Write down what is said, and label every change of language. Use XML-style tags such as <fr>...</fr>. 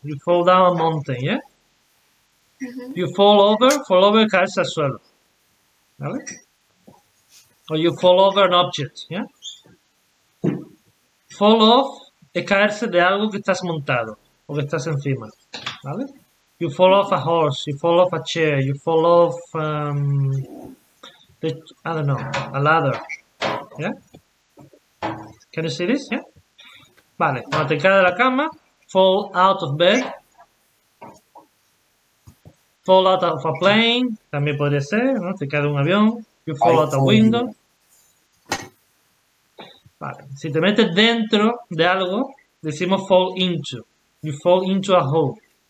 <en>You fall down a mountain. Yeah. Mm-hmm. You fall over. Fall over,</en> <es>caes al suelo. ¿Vale?</es> <en>Or you fall over an object. Yeah.</en> <es>Fall off es caerse de algo que estás montado o que estás encima. ¿Vale?</es> <en>You fall off a horse, you fall off a chair, you fall off, a ladder, yeah? Can you see this, yeah?</en> <es>Vale, cuando te caes de la cama,</es> <en>fall out of bed, fall out of a plane,</en> <es>también podría ser, ¿no? Te caes de un avión,</es> <en>you fall out a window.</en> <es>Vale, si te metes dentro de algo, decimos fall into,</es> <en>you fall into a hole.</en>